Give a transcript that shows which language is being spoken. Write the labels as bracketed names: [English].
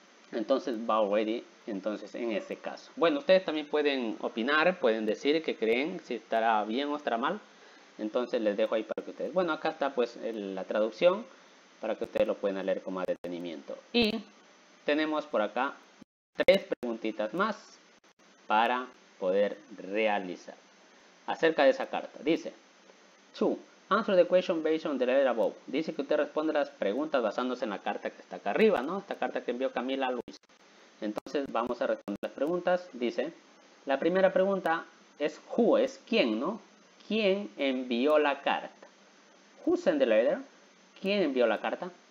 [Spanish] Entonces va already, entonces en ese caso. Bueno, ustedes también pueden opinar, pueden decir qué creen, si estará bien o estará mal. Entonces les dejo ahí para que ustedes. Bueno, acá está pues la traducción para que ustedes lo puedan leer con más detenimiento. Y tenemos por acá tres preguntitas más para poder realizar acerca de esa carta. [English] Dice: Chu, answer the question based on the letter above. [Spanish] Dice que usted responde las preguntas basándose en la carta que está acá arriba, ¿no? Esta carta que envió Camila a Luis. Entonces vamos a responder las preguntas. Dice: La primera pregunta es who, es quién, ¿no? ¿Quién envió la carta? [English] Who sent the letter? [Spanish] ¿Quién envió la carta?